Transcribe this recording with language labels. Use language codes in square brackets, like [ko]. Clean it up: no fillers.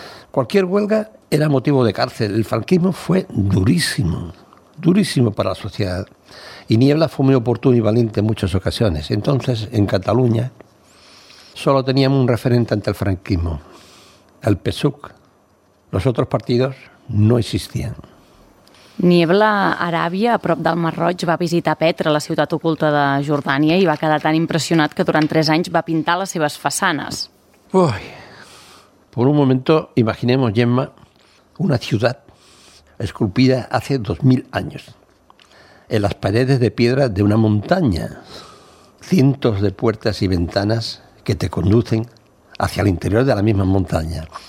[es] Cualquier huelga era motivo de cárcel. El franquismo fue durísimo, durísimo para la sociedad. Y Niebla fue muy oportuno y valiente en muchas ocasiones. Entonces, en Cataluña solo teníamos un referente ante el franquismo, el PSUC. Los otros partidos no existían. [ca] Niebla, Aràbia, a prop del Mar Roig, va visitar Petra, la ciutat oculta de Jordània, i va quedar tan impressionat que durant 3 anys va pintar les seves façanes. [es] Uy, por un momento imaginemos, Gemma, una ciudad esculpida hace 2000 años en las paredes de piedra de una montaña, cientos de puertas y ventanas que te conducen hacia el interior de la misma montaña.